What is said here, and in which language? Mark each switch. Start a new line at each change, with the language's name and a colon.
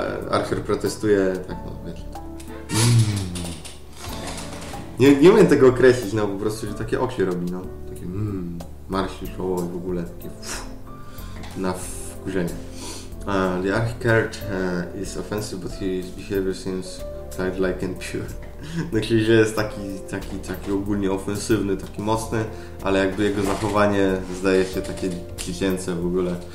Polish: Archer protestuje, tak, no wiesz. Nie umiem tego określić, no po prostu, że takie oczy robi, no. Takie marsi, czoło i w ogóle takie na wkurzenie.
English: The Archer is offensive, but his behavior seems childlike and pure.
Polish: No czyli, że jest taki ogólnie ofensywny, taki mocny, ale jakby jego zachowanie zdaje się takie dziecięce w ogóle.